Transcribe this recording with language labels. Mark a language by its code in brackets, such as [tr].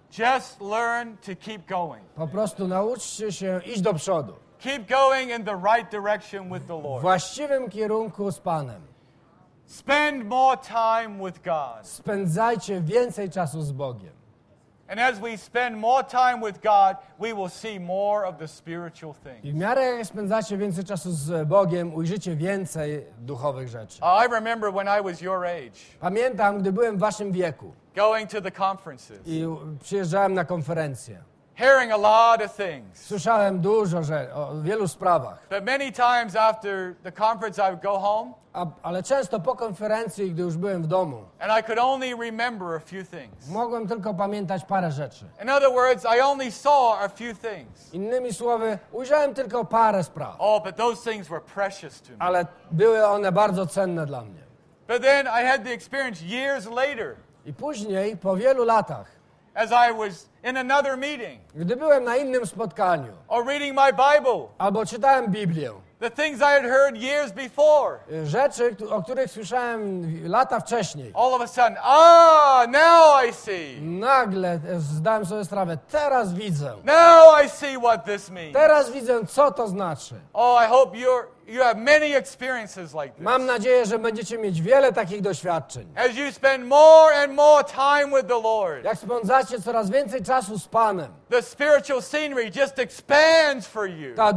[en] Just learn to keep going. [pl] Po prostu nauczcie się iść do przodu. [en] Keep going in the right direction with the Lord. [pl] W właściwym kierunku z Panem. [en] Spend more time with God. [pl] Spędzajcie więcej czasu z Bogiem. [en] And as we spend more time with God, we will see more of the spiritual things. [pl] I w miarę jak spędzacie więcej czasu z Bogiem, ujrzycie więcej duchowych rzeczy. [en] I remember when I was your age. [pl] Pamiętam, gdy byłem w waszym wieku. [en] Going to the conferences. [pl] I przyjeżdżałem na konferencje. [en] Hearing a lot of things. [pl] Słyszałem dużo rzeczy, o wielu sprawach. [en] But many times after the conference, I would go home. [pl] Ale często po konferencji, gdy już byłem w domu, [en] and I could only remember a few things. [pl] Mogłem tylko pamiętać parę rzeczy. [en] In other words, I only saw a few things. [pl] Innymi słowy, ujrzałem tylko parę spraw. [en] Oh, but those things were precious to me. [pl] Ale były one bardzo cenne dla mnie. [en] But then I had the experience years later. [pl] I później, po wielu latach, [en] as I was in another meeting, [pl] gdy byłem na innym spotkaniu, [en] or reading my Bible, [pl] albo czytałem Biblię, [en] the things I had heard years before, [pl] rzeczy, o których słyszałem lata wcześniej, [en] all of a sudden, ah, now I see. [pl] Nagle zdałem sobie sprawę, teraz widzę. [en] Now I see what this means. [pl] Teraz widzę, co to znaczy. [en] Oh, I hope you have many experiences like this. [pl] Mam nadzieję, że będziecie mieć wiele takich doświadczeń. [en] As you spend more and more time with the Lord. [pl] Jak spędzacie coraz więcej czasu z Panem. [en] The spiritual scenery just expands for you.